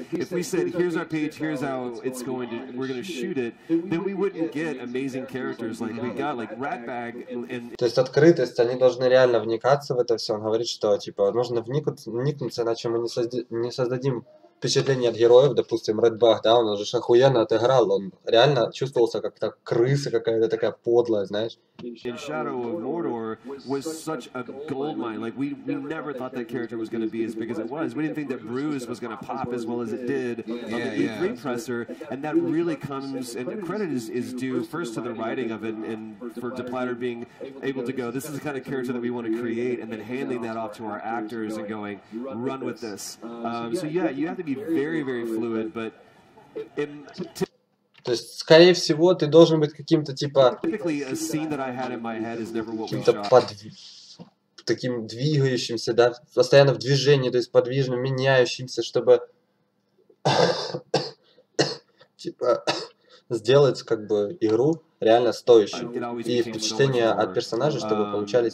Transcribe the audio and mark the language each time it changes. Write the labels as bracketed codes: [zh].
[en] If we said, here's our page, here's how it's going to, we're going to shoot it, then we wouldn't get amazing characters like we got, like Ratbag. [ru] То есть открытость, они должны реально вникаться в это все. Он говорит, что типа нужно вникнуться, иначе мы не создадим впечатление от героев. Допустим, Ratbag, да, он уже охуенно отыграл, он реально чувствовался как та крыса какая-то такая подлая, знаешь. [en] In Shadow of Mordor was such a goldmine. Like we never thought that character was going to be as big as it was. We didn't think that Bruise was going to pop as well as it did on the E3 presser. And that really comes, and credit is due first to the writing of it, and for De Platter being able to go, this is the kind of character that we want to create, and then handing that off to our actors and going, run with this. So yeah, you have to be very, very fluid, but. [ru] То есть, скорее всего, ты должен быть каким-то типа каким-то таким двигающимся, да, постоянно в движении, то есть подвижно меняющимся, чтобы типа сделать как бы игру реально стоящей и впечатления от персонажа, чтобы получались